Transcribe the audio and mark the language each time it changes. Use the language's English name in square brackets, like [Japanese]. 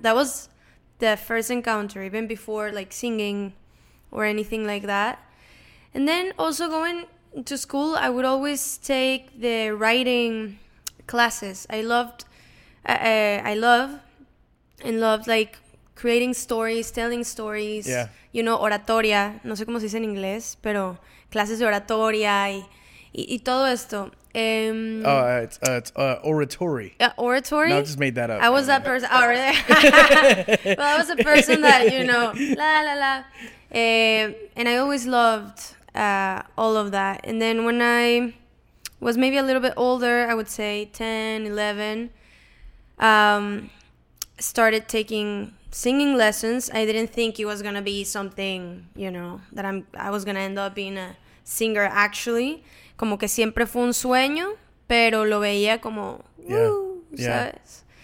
[English] That was the first encounter, even before, like, singing or anything like that. And then also going to school, I would always take the writing classes. I loved like creating stories, telling stories. Yeah. You know, oratoria. [Spanish] No sé cómo se dice en inglés, pero clases de oratoria y todo esto. [English] It's oratory. Yeah, oratory. No, I just made that up. I was that person. Oh, really? Well, I was a person that, you know, la la la. And I always loved all of that. And then when I was maybe a little bit older, I would say 10, 11, started taking singing lessons. I didn't think it was going to be something, you know, that I was going to end up being a singer, actually. [Spanish] Como que siempre fue un sueño, pero lo veía como, ¿sabes?